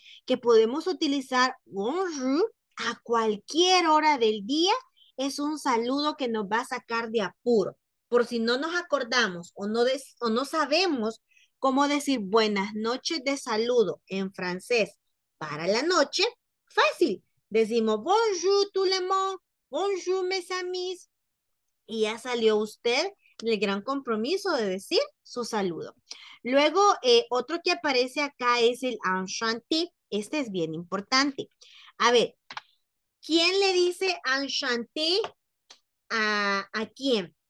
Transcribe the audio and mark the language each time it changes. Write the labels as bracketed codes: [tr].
[es] Que podemos utilizar bonjour a cualquier hora del día. Es un saludo que nos va a sacar de apuro. Por si no nos acordamos o no sabemos cómo decir buenas noches de saludo en francés para la noche, fácil. [fr] Decimos bonjour tout le monde, bonjour mes amis. [es] Y ya salió usted el gran compromiso de decir su saludo. Luego, otro que aparece acá es el enchanté. Este es bien importante. A ver, ¿quién le dice enchanté a quién?